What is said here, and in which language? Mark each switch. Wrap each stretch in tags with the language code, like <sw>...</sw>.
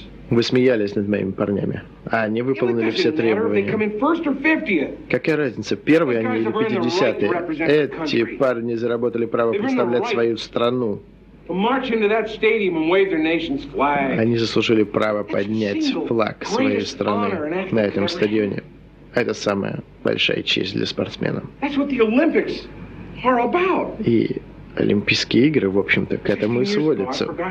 <ru>Вы смеялись над моими парнями, а они выполнили все требования. Какая разница, первые они или 50-е? Эти парни заработали право представлять свою страну.</ru> <en>March into that stadium and wave their nation's flag.</en> <ru>Они заслужили право поднять флаг своей страны на этом стадионе. Это самая большая честь для спортсмена.</ru> <en>That's what the Olympics are about.</en> <ru>И Олимпийские игры, в общем-то, к этому и сводятся.</ru>